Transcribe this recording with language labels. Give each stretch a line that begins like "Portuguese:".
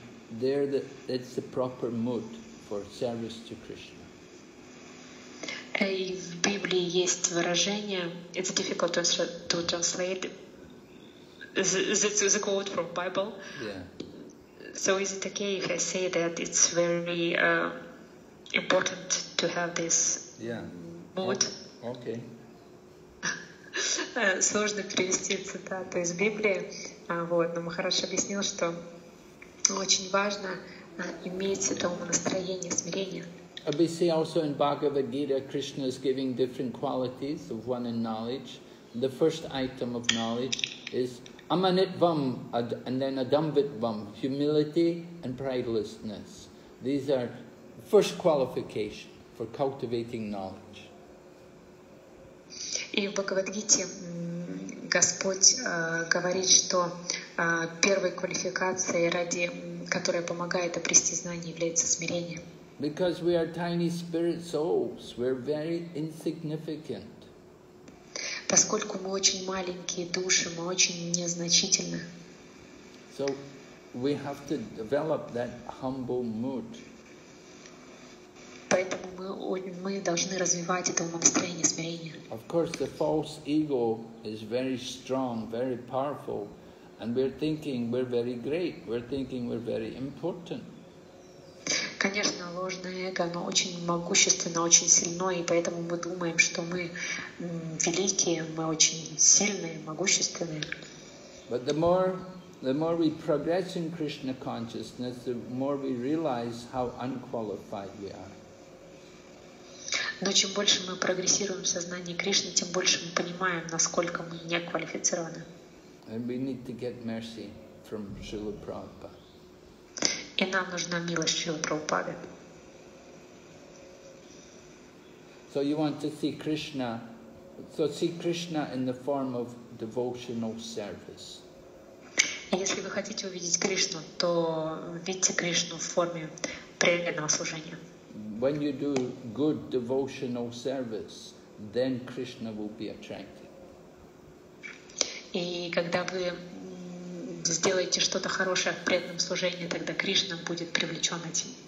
English: It's the proper mood for service to Krishna.
Russian: И в Библии есть выражение.
English: It's difficult to translate. Is it a quote from Bible? Yeah. So is it okay if I say that it's very important to have this mood? Okay.
Russian: Сложно перевести цитату из Библии. Но Махараш объяснил, что очень важно иметь это умонастроение, смирение.
English: We see also in Bhagavad Gita, Krishna is giving different qualities of one in knowledge. The first item of knowledge is Amanitvam, and then Adambitvam, humility and pridelessness. These are first qualification for cultivating knowledge.
Russian: И в Бхагавадгите Господь говорит, что первой квалификацией, ради которой помогает обрести знание, является смирение.
English: Because we are tiny spirit souls, we're very insignificant.
Russian: Поскольку мы очень маленькие души, мы очень незначительны.
English: So we have to develop that humble mood.
Russian: Поэтому мы должны развивать это умонастроение, смирение.
English: Of course, the false ego is very strong, very powerful, and we're thinking we're very great, we're thinking we're very important.
Russian: Конечно, ложное эго, оно очень могущественно, очень сильно, и поэтому мы думаем, что мы великие, мы очень сильные, могущественные.
English: But the more we progress in Krishna consciousness, the more we realize how unqualified we are.
Russian: Но чем больше мы прогрессируем в сознании Кришны, тем больше мы понимаем, насколько мы неквалифицированы.
English: And we need to get mercy from Srila Prabhupada.
Russian: И нам нужна милость Шрилы Прабхупады.
English: So you want to see Krishna, so see Krishna in the form of devotional service.
Russian: Если вы хотите увидеть Кришну, то видите Кришну в форме преданного служения.
English: When you do good devotional service, then Krishna will be attracted.
Russian: И когда вы сделаете что-то хорошее в преданном служении, тогда Кришна будет привлечен этим.